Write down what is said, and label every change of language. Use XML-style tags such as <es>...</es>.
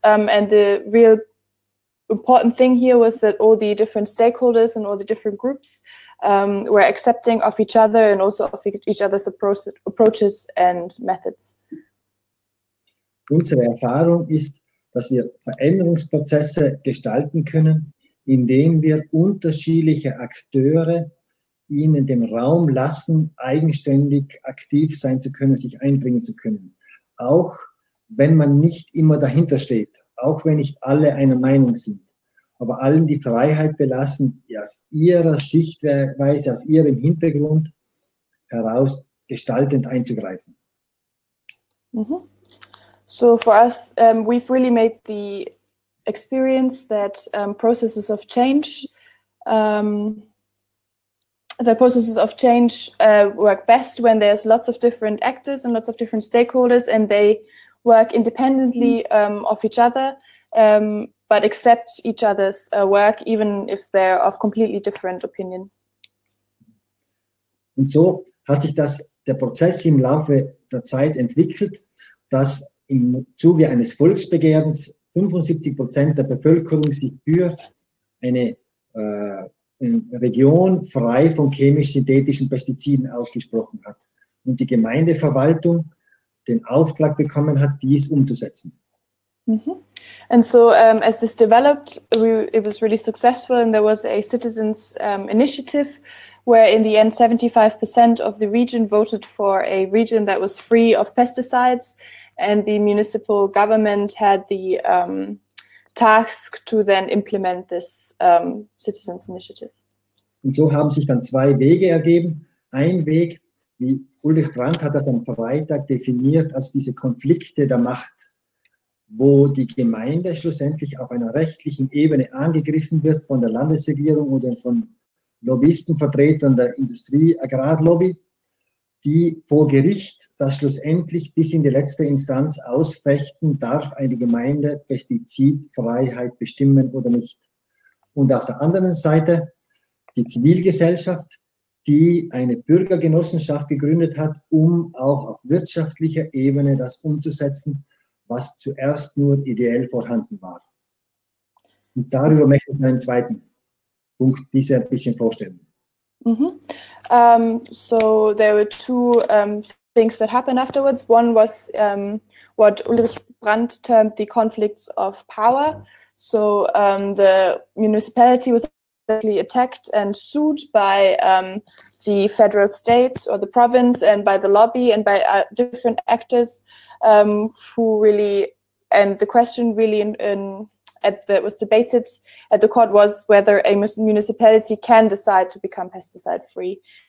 <en>And the real important thing here was that all the different stakeholders and all the different groups were accepting of each other and also of each other's approaches and methods.</en> <de>Unsere Erfahrung ist, dass wir Veränderungsprozesse gestalten können, indem wir unterschiedliche Akteure ihnen den Raum lassen, eigenständig aktiv sein zu können, sich einbringen zu können. Auch wenn man nicht immer dahinter steht, auch wenn nicht alle einer Meinung sind, aber allen die Freiheit belassen, aus ihrer Sichtweise, aus ihrem Hintergrund heraus gestaltend einzugreifen. Mhm.</de> <en>So for us, we've really made the experience that processes of change, the processes of change work best when there's lots of different actors and lots of different stakeholders, and they work independently of each other, but accept each other's work, even if they're of completely different opinion.</en> <de>Und so hat sich der Prozess im Laufe der Zeit entwickelt, dass im Zuge eines Volksbegehrens 75% der Bevölkerung sich für eine Region frei von chemisch-synthetischen Pestiziden ausgesprochen hat und die Gemeindeverwaltung den Auftrag bekommen hat, dies umzusetzen. Mm-hmm.</de> <en>And so as this developed, it was really successful and there was a citizens initiative where in the end 75% of the region voted for a region that was free of pesticides. And the municipal government had the task to then implement this citizens initiative.</en> <de>Und so haben sich dann zwei Wege ergeben. Ein Weg, wie Ulrich Brandt hat das am Freitag definiert, als diese Konflikte der Macht, wo die Gemeinde schlussendlich auf einer rechtlichen Ebene angegriffen wird von der Landesregierung oder von Lobbyistenvertretern der Industrie-Agrarlobby, die vor Gericht das schlussendlich bis in die letzte Instanz ausfechten, darf eine Gemeinde Pestizidfreiheit bestimmen oder nicht. Und auf der anderen Seite die Zivilgesellschaft, die eine Bürgergenossenschaft gegründet hat, um auch auf wirtschaftlicher Ebene das umzusetzen, was zuerst nur ideell vorhanden war. Und darüber möchte ich meinen zweiten Punkt diese ein bisschen vorstellen.</de> <en>So there were two things that happened afterwards. One was what Ulrich Brandt termed the conflicts of power. So the municipality was basically attacked and sued by the federal state or the province and by the lobby and by different actors who really, and the question really that was debated at the court was whether a municipality can decide to become pesticide free.</en>